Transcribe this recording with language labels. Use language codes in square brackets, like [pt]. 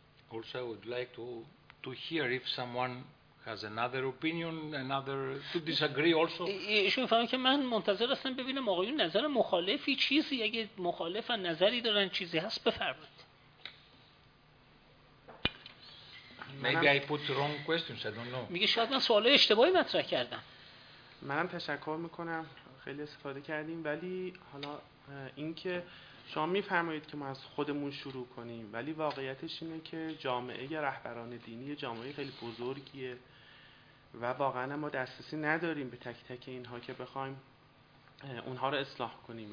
[en] also I would like to hear if someone has another opinion to disagree also [fa] ایشون فهمید که من منتظر هستم ببینم آقایون نظر مخالفی چیزی اگه مخالف نظری دارن چیزی هست بفرمایید [en] Maybe I put wrong questions. I don't know. [fa] میگه شاید من سوال اشتباهی مطرح کردم. منم تشکر میکنم. خیلی استفاده کردیم. ولی حالا اینکه شما میفرمایید که ما از خودمون شروع کنیم. ولی واقعیتش اینه که جامعه رهبران دینی جامعه خیلی بزرگیه و واقعا ما دسترسی نداریم به تک تک اینها که بخوایم اونها رو اصلاح کنیم.